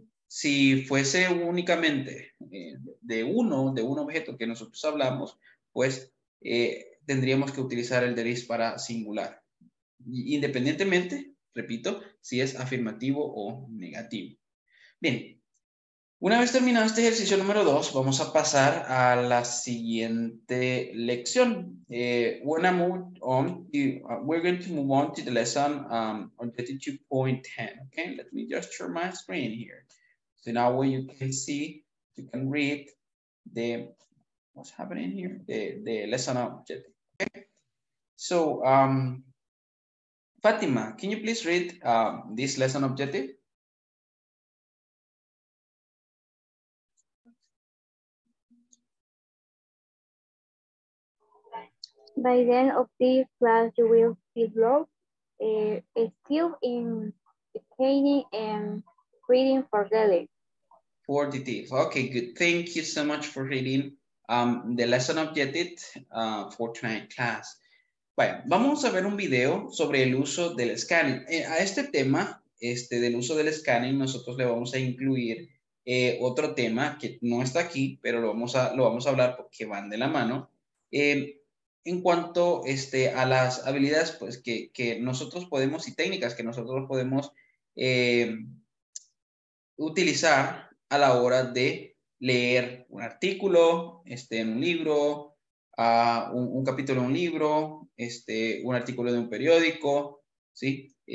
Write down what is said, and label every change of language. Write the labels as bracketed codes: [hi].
[es] Si fuese únicamente de un objeto que nosotros hablamos, pues tendríamos que utilizar el there is para singular. Independientemente, repito, si es afirmativo o negativo. Bien. Una vez terminado este ejercicio número 2, vamos a pasar a la siguiente lección. [en] We're going to move on to the lesson on 32.10. Okay, let me just share my screen here. So now what you can see, you can read the, what's happening here? The lesson objective. Okay. So, Fatima, can you please read this lesson objective? By the end of this class, you will develop a skill in painting and reading for daily. For the teeth. Okay, good. Thank you so much for reading the lesson objective for tonight class. [es] Bueno, vamos a ver un video sobre el uso del scanning. A este tema, del uso del scanning, nosotros le vamos a incluir otro tema que no está aquí, pero lo vamos a hablar porque van de la mano. En cuanto a las habilidades pues, que nosotros podemos y técnicas que nosotros podemos utilizar a la hora de leer un artículo en un libro, un capítulo de un libro, un artículo de un periódico, ¿sí?